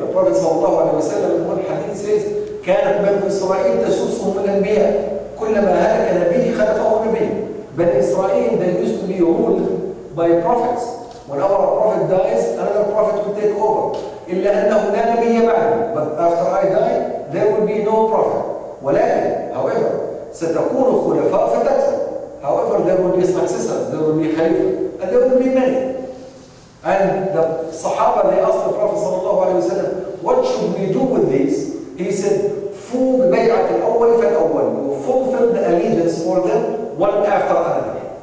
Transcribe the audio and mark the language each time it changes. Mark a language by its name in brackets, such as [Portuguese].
[English] The Prophet sallallahu alayhi wa sallam in one hadith says, [Arabic] كانت بنو إسرائيل تسوسهم الأنبياء كلما هلك نبي خلفه نبي. [English] بني إسرائيل, they used to be ruled by prophets. Whenever a prophet dies, another prophet will take over. [Arabic] إلا أنه لا نبي بعد. [English] But after I die, there will be no prophet. [Arabic] ولكن, [English] however, [Arabic] ستكون خلفاء فتكثر. [English] However, there will be successors, there will be خليفة, and there will be many. And the Sahaba, they asked the Prophet صلى الله عليه وسلم, what should we do with these? He said, [Arabic] فوق بيعة الأول فالأول, [English] you fulfill the allegiance for them one after another.